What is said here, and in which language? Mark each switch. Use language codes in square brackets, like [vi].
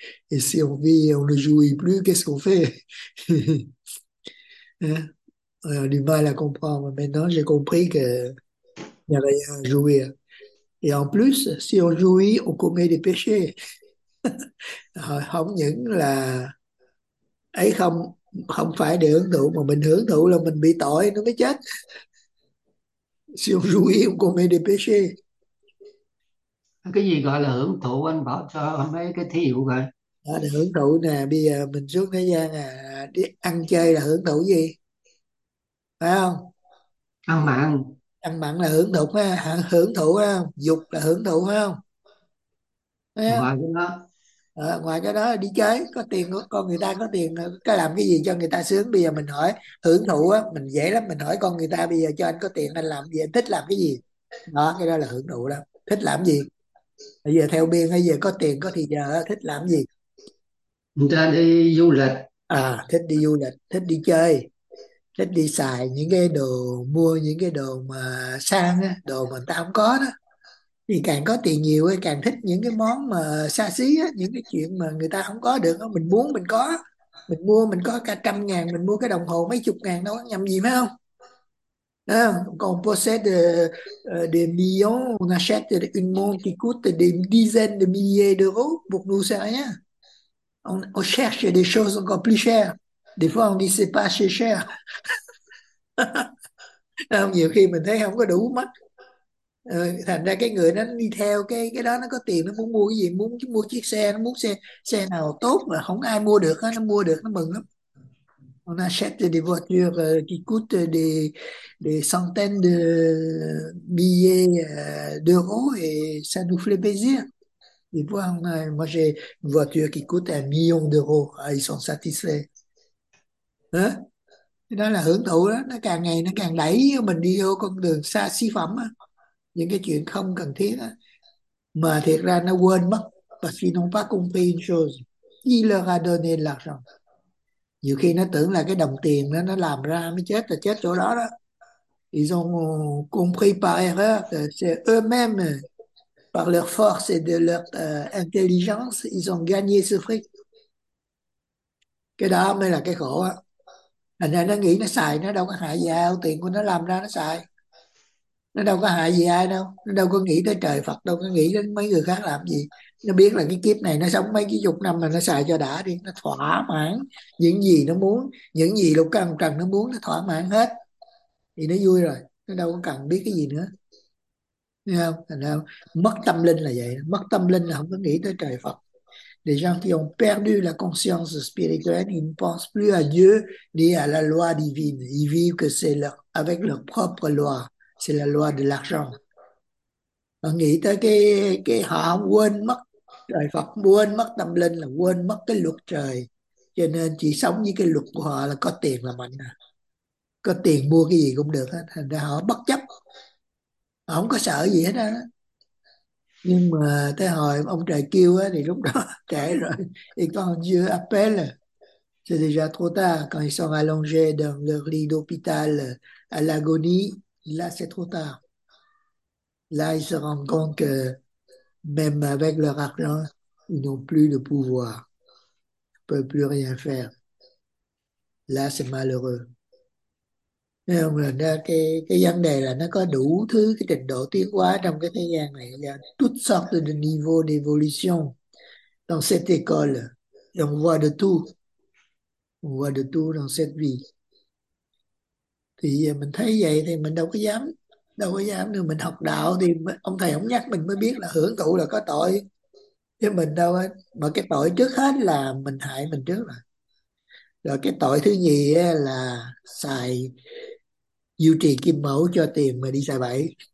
[fr] Et si on vit et on ne jouit plus, qu'est-ce qu'on fait? Hein? On a du mal à comprendre. Maintenant, j'ai compris qu'il n'y a rien à jouir. Et en plus, si on jouit, on commet des péchés. [vi] Không những là ấy, không không phải để hưởng thụ, mà mình hưởng thụ là mình bị tội, nó mới chết. [fr] Si on jouit, on commet des péchés. [vi] Cái gì gọi là hưởng thụ, anh bảo cho mấy cái thí dụ coi. Đó là hưởng thụ nè, bây giờ mình xuống thế gian à, đi ăn chơi là hưởng thụ gì? Phải không? Ăn mặn. Ăn mặn là hưởng thụ ha, hưởng thụ ha, dục là hưởng thụ ha. Phải không? Ngoài cái đó, À, ngoài cái đó đi chơi có tiền, con người ta có tiền có làm cái gì cho người ta sướng. Bây giờ mình hỏi hưởng thụ á, mình dễ lắm, mình hỏi con người ta bây giờ cho anh có tiền anh làm gì, anh thích làm cái gì đó, cái đó là hưởng thụ đó. Thích làm gì bây giờ theo biên, bây giờ có tiền có thời giờ thích làm gì? người ta đi du À, thích đi du lịch, thích đi chơi, thích đi xài những cái đồ, mua những cái đồ mà sang á, đồ mà người ta không có đó. Thì càng có tiền nhiều ấy, càng thích những cái món mà xa xỉ á, những cái chuyện mà người ta không có được á, mình muốn mình có, mình mua mình có cả 100.000, mình mua cái đồng hồ mấy chục ngàn đâu nhầm gì phải không? [fr] À, còn possède des millions, on achète une montre qui coûte des dizaines de milliers d'euros, pour nous c'est rien. On cherche des choses encore plus chères. Des fois on dit c'est pas assez cher. [vi] À, nhiều khi mình thấy không có đủ mắt. Thành ra cái người nó đi theo cái đó, nó có tiền nó muốn mua cái gì, muốn mua chiếc xe, nó muốn xe xe nào tốt mà không ai mua được nó mua được, nó mừng lắm. [fr] On achète des voitures qui coûtent des centaines de milliers d'euros et ça nous fait plaisir. Des fois, moi j'ai une voiture qui coûte 1 million d'euros, ils sont satisfaits. Hein? [vi] Đó là hưởng thụ đó, nó càng ngày nó càng đẩy mình đi vô con đường xa xỉ phẩm á, những cái chuyện không cần thiết á, mà thiệt ra nó quên mất. [fr] Parce qu'ils n'ont pas compris une chose, il leur a donné l'argent. [vi] Nhiều khi nó tưởng là cái đồng tiền nó làm ra mới chết, là chết chỗ đó đó. [fr] Ils ont compris par erreur, c'est eux-mêmes, par leur force et de leur intelligence, ils ont gagné ce fric. [vi] Cái đó mới là cái khổ á. Thành ra nó nghĩ nó xài, nó đâu có hại gì ai, tiền của nó làm ra nó xài, nó đâu có hại gì ai đâu, nó đâu có nghĩ tới trời Phật, đâu có nghĩ đến mấy người khác làm gì. Nó biết là cái kiếp này nó sống mấy cái chục năm mà nó xài cho đã đi, nó thỏa mãn những gì nó muốn, những gì lục căn trần nó muốn nó thỏa mãn hết thì nó vui rồi, nó đâu có cần biết cái gì nữa. Thấy không? Thành ra mất tâm linh là vậy, mất tâm linh là không có nghĩ tới trời Phật. [fr] Les gens qui ont perdu la conscience spirituelle, ils ne pensent plus à Dieu ni à la loi divine. Ils vivent que c'est leur, avec leur propre loi. C'est la loi de l'argent. [vi] Họ nghĩ tới cái họ quên mất trời Phật, quên mất tâm linh, là quên mất cái luật trời, cho nên chỉ sống với cái luật của họ là có tiền là mạnh, có tiền mua cái gì cũng được hết. Thành ra họ bất chấp, họ không có sợ gì hết á. Nhưng mà tới hồi ông trời kêu á thì lúc đó trễ rồi, thì con [fr] Dieu appelle, c'est déjà trop tard, quand ils sont allongés dans leur lit d'hôpital à l'agonie. Là c'est trop tard. Là ils se rendent compte que même avec leur argent, ils n'ont plus de pouvoir. Ils ne peuvent plus rien faire. Là c'est malheureux. Mais on a [vi] cái vấn đề là nó có đủ thứ cái trình độ tiến hóa trong cái thế gian này, là [fr] toutes sortes de niveaux d'évolution dans cette école. Et on voit de tout. On voit de tout dans cette vie. [vi] Thì mình thấy vậy thì mình đâu có dám nữa. Mình học đạo thì ông thầy ông nhắc mình mới biết là hưởng thụ là có tội, chứ mình đâu ấy. Mà cái tội trước hết là mình hại mình trước, rồi cái tội thứ nhì ấy là xài, duy trì kim mẫu cho tiền mà đi xài bậy.